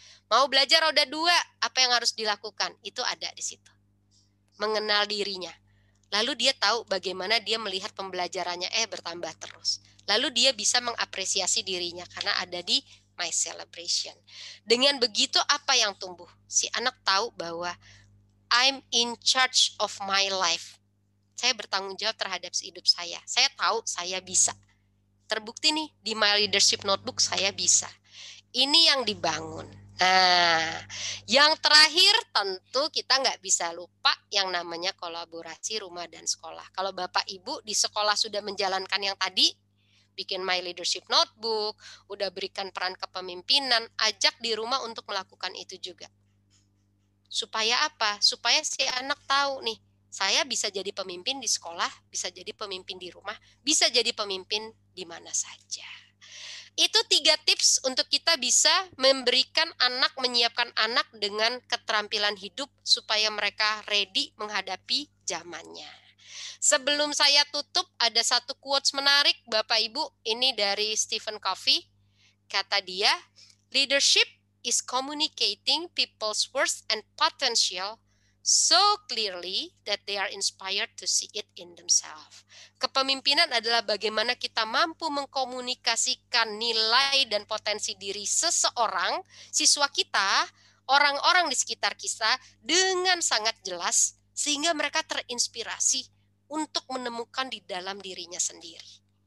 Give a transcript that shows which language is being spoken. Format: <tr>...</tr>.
<id>Mau belajar roda dua, apa yang harus dilakukan? Itu ada di situ. Mengenal dirinya. Lalu dia tahu bagaimana dia melihat pembelajarannya bertambah terus. Lalu dia bisa mengapresiasi dirinya karena ada di My Celebration. Dengan begitu apa yang tumbuh? Si anak tahu bahwa</id> <en>I'm in charge of my life.</en> <id>Saya bertanggung jawab terhadap hidup saya. Saya tahu saya bisa. Terbukti nih di My Leadership Notebook saya bisa. Ini yang dibangun. Nah, yang terakhir tentu kita nggak bisa lupa yang namanya kolaborasi rumah dan sekolah. Kalau Bapak Ibu di sekolah sudah menjalankan yang tadi, bikin My Leadership Notebook, udah berikan peran kepemimpinan, ajak di rumah untuk melakukan itu juga. Supaya apa? Supaya si anak tahu nih, saya bisa jadi pemimpin di sekolah, bisa jadi pemimpin di rumah, bisa jadi pemimpin di mana saja. Itu 3 tips untuk kita bisa memberikan anak, menyiapkan anak dengan keterampilan hidup supaya mereka ready menghadapi zamannya. Sebelum saya tutup, ada satu quotes menarik Bapak Ibu, ini dari Stephen Covey.</id> <en>Kata dia, leadership is communicating people's worth and potential so clearly that they are inspired to see it in themselves.</en> <id>Kepemimpinan adalah bagaimana kita mampu mengkomunikasikan nilai dan potensi diri seseorang, siswa kita, orang-orang di sekitar kita dengan sangat jelas sehingga mereka terinspirasi untuk menemukan di dalam dirinya sendiri.</id>